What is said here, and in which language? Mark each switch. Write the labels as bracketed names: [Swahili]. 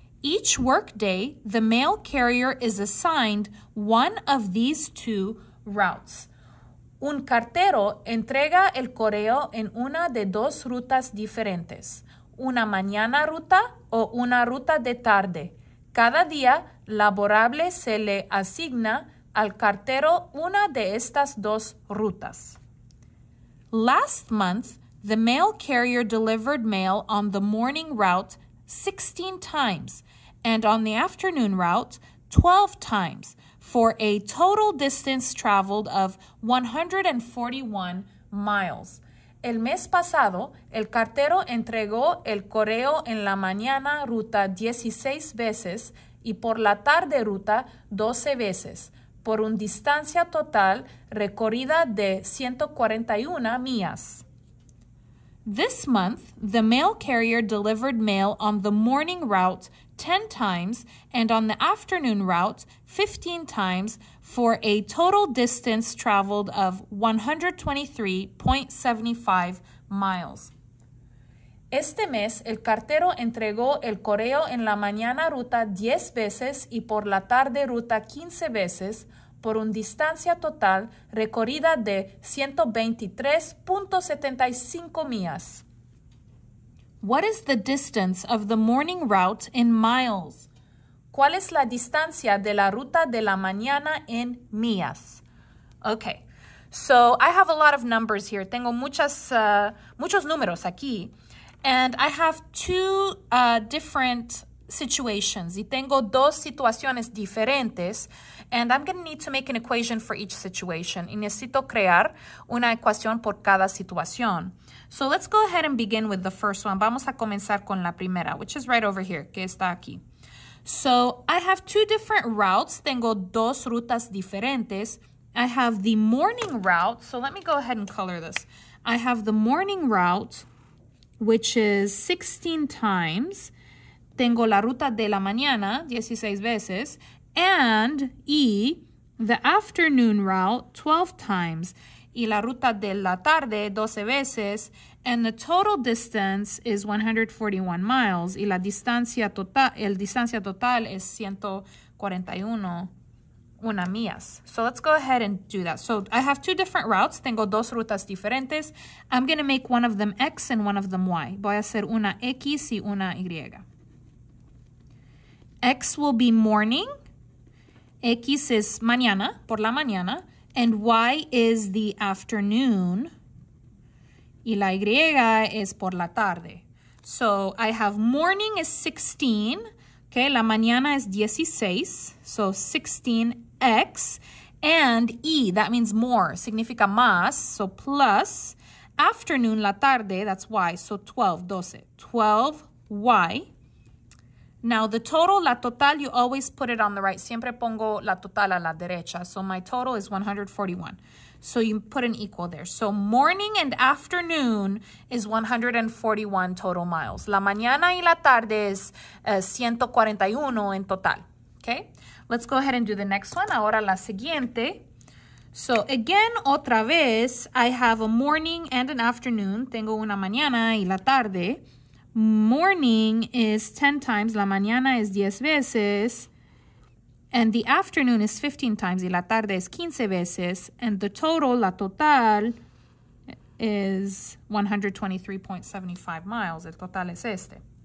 [English] Each workday, the mail carrier is assigned one of these two routes. [Spanish] Un cartero entrega el correo en una de dos rutas diferentes, una mañana ruta o una ruta de tarde. Cada día laborable se le asigna al cartero una de estas dos rutas. [English] Last month, the mail carrier delivered mail on the morning route 16 times and on the afternoon route 12 times, for a total distance traveled of 141 miles. [Spanish] El mes pasado, el cartero entregó el correo en la mañana ruta 16 veces y por la tarde ruta 12 veces, por un distancia total recorrida de 141 millas. [English] This month, the mail carrier delivered mail on the morning route 10 times and on the afternoon route 15 times for a total distance traveled of 123.75 miles. [Spanish] Este mes, el cartero entregó el correo en la mañana ruta 10 veces y por la tarde ruta 15 veces por un distancia total recorrida de 123.75 millas. [English] What is the distance of the morning route in miles? [Spanish] ¿Cuál es la distancia de la ruta de la mañana en millas? [English] Okay, so I have a lot of numbers here. [Spanish] Tengo muchos números aquí. [English] And I have two different situations. [Spanish] Y tengo dos situaciones diferentes. [English] And I'm going to need to make an equation for each situation. [Spanish] Y necesito crear una ecuación por cada situación. [English] So let's go ahead and begin with the first one. [Spanish] Vamos a comenzar con la primera, [English] which is right over here, [Spanish] que está aquí. [English] So I have two different routes. [Spanish] Tengo dos rutas diferentes. [English] I have the morning route. So let me go ahead and color this. I have the morning route, which is 16 times. [Spanish] Tengo la ruta de la mañana, 16 veces. [English] And E, the afternoon route, 12 times. [Spanish] Y la ruta de la tarde, 12 veces. [English] And the total distance is 141 miles. [Spanish] Y la distancia total, el distancia total es 141 millas. [English] So let's go ahead and do that. So I have two different routes. [Spanish] Tengo dos rutas diferentes. [English] I'm going to make one of them X and one of them Y. [Spanish] Voy a hacer una X y una Y. [English] X will be morning. X is [Spanish] mañana, por la mañana, [English] and Y is the afternoon, [Spanish] y la Y es por la tarde. [English] So I have morning is 16, okay, [Spanish] la mañana es 16, [English] so 16X, and E, that means more, [Spanish] significa más, [English] so plus, afternoon, [Spanish] la tarde, [English] that's Y, so 12, 12, 12Y. Now, the total, [Spanish] la total, [English] you always put it on the right. [Spanish] Siempre pongo la total a la derecha. [English] So, my total is 141. So, you put an equal there. So, morning and afternoon is 141 total miles. [Spanish] La mañana y la tarde es 141 en total. [English] Okay? Let's go ahead and do the next one. [Spanish] Ahora, la siguiente. [English] So, again, [Spanish] otra vez, [English] I have a morning and an afternoon. Tengo una mañana y la tarde. Morning is 10 times, [Spanish] la mañana es 10 veces, [English] and the afternoon is 15 times, [Spanish] y la tarde es 15 veces, [English] and the total, [Spanish] la total, [English] is 123.75 miles. [Spanish] El total es este.